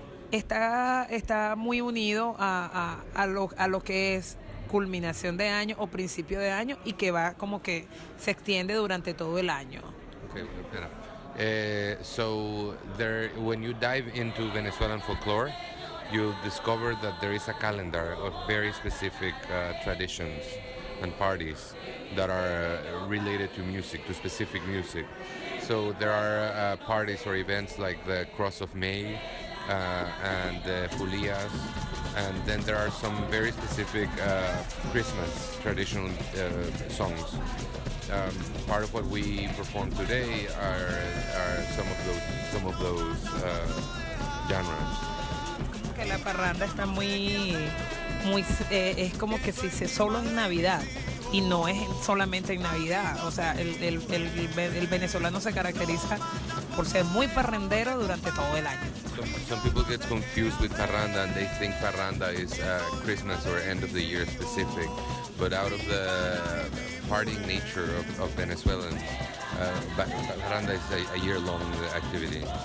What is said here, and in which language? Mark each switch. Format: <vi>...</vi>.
<es>está muy unido a lo que es culminación de año o principio de año, y que va como que se extiende durante todo el año. Okay, espera.</es> <en>So there, when you dive into Venezuelan folklore, you discover that there is a calendar of very specific traditions and parties that are related to music, to specific music. So there are parties or events like the Cross of May, and the folías, and then there are some very specific Christmas traditional songs. Part of what we perform today are some of those genres.</en> <es>Que la parranda está muy es como que si se solo en Navidad, y no es solamente en Navidad. O sea, el venezolano se caracteriza por ser muy parrandero durante todo el año.</es> <en>Some people get confused with parranda and they think parranda is Christmas or end of the year specific, but out of the partying nature of Venezuelans, parranda is a year-long activity.</en>